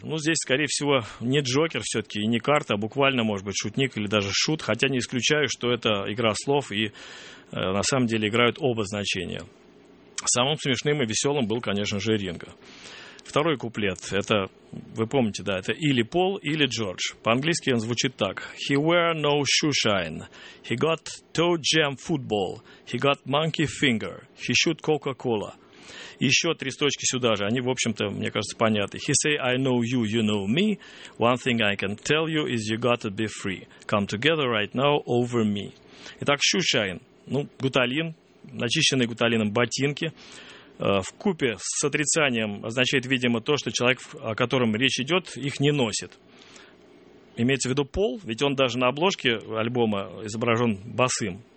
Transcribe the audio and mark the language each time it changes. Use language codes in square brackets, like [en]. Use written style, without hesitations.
[ru] Ну, здесь, скорее всего, не Джокер все-таки и не карта, а буквально, может быть, шутник или даже шут. Хотя не исключаю, что это игра слов и на самом деле играют оба значения. Самым смешным и веселым был, конечно же, Ринго. Второй куплет, это, вы помните, да, это или Пол, или Джордж. По-английски он звучит так. [en] He wear no shoeshine, he got toe jam football, he got monkey finger, he shoot Coca-Cola. [ru] Еще три строчки сюда же, они, в общем-то, мне кажется, понятны. [en] He say I know you, you know me, one thing I can tell you is you gotta be free, come together right now over me. [ru] Итак, shoeshine, ну, гуталин, начищенные гуталином ботинки, вкупе с отрицанием означает, видимо, то, что человек, о котором речь идет, их не носит. Имеется в виду Пол, ведь он даже на обложке альбома изображен босым.